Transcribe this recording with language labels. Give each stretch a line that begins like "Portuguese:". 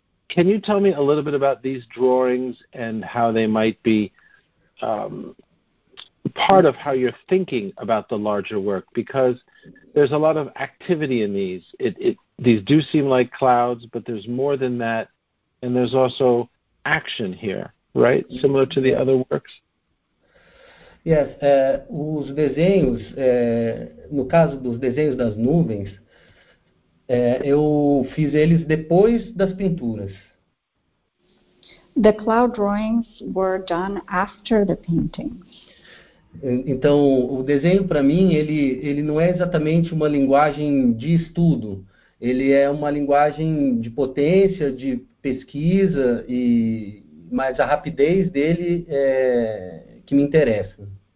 English: Can you tell me a little bit about these drawings and how they might be part of how you're thinking about the larger work? Because there's a lot of activity in these. These do seem like clouds, but there's more than that, and there's also action here, right? Similar to the other works?
Portuguese: Yes, os desenhos, no caso dos desenhos das nuvens, eu fiz eles depois das pinturas.
English: The cloud drawings were done after the paintings.
Portuguese: Então, o desenho para mim, ele não é exatamente uma linguagem de estudo. Ele é uma linguagem de potência, de pesquisa, mas a rapidez dele é que me interessa.